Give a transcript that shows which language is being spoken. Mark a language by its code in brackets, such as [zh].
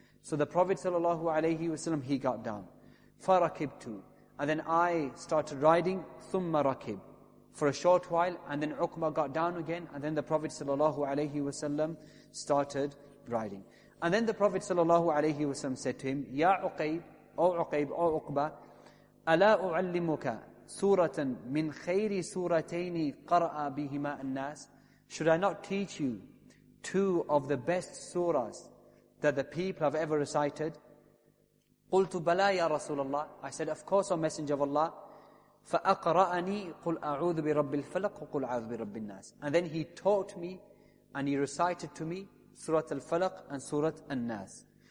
[en] So the Prophet sallallahu alayhi wasallam, he got down. [ar] فَرَكِبْتُ. [en] And then I started riding. [ar] ثُمَّ رَكِبْ. [en] For a short while, and then Uqba got down again, and then the Prophet sallallahu alayhi wasallam started riding. And then the Prophet sallallahu alayhi wasallam said to him, [ar] يَا عُقَيْب. [en] O Uqayb, O Uqba, [ar] أَلَا أُعَلِّمُكَ سُورَةً مِنْ خَيْرِ سُورَتَيْنِ قَرَأَ بِهِمَا النَّاسِ. [en] Should I not teach you two of the best surahs that the people have ever recited? [ar] قُلْتُ بَلَا يَا رَسُولَ اللَّهِ. [en] I said, of course, O Messenger of Allah. [ar] فَأَقْرَأَنِي قُلْ أَعُوذُ بِرَبِّ الْفَلَقُ وَقُلْ أَعُوذُ بِرَبِّ النَّاسِ. [en] And then he taught me and he recited to me Surah Al-Falaq and Surah An-Nas.